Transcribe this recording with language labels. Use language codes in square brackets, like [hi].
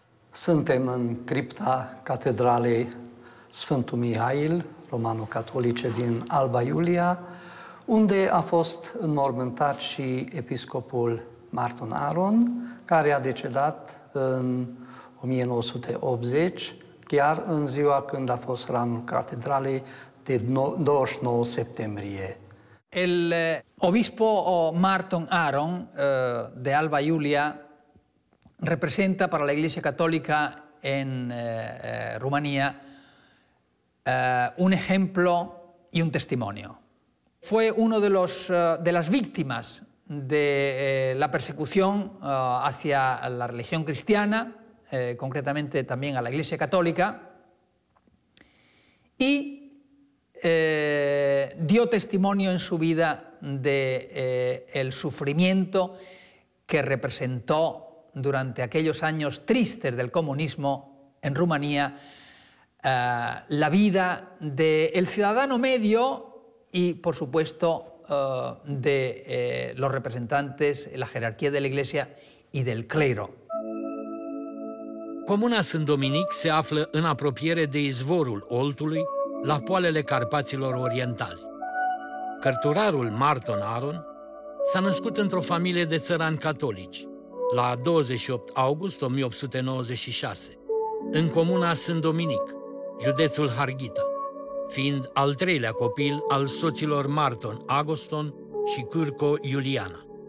[ro] Suntem în cripta Catedralei Sfântul Mihail, romano-catolice din Alba Iulia, unde a fost înmormântat și episcopul Martin Aron, care a decedat în 1980, chiar în ziua când a fost ranul catedralei de 29 septembrie. [es] El obispo Martin Aron de Alba Iulia representa para la Iglesia Católica en Rumanía un ejemplo y un testimonio. Fue uno de los de las víctimas de la persecución hacia la religión cristiana, concretamente también a la Iglesia Católica, y dio testimonio en su vida de el sufrimiento que representó durante aquellos años tristes del comunismo en Rumanía la vida del ciudadano medio y, por supuesto, de los representantes, la jerarquía de la Iglesia y del clero. [ro] Comuna Sfânt Dominic se află în apropiere de izvorul Oltului, la poalele Carpaților Orientali. Cărturarul Martin Aron S-a născut într-o familie de țărani catolici, la 28 august 1896, în comuna Sânt Dominic, județul Harghita, fiind al treilea copil al soților Marton Agoston și Cârco Iuliana.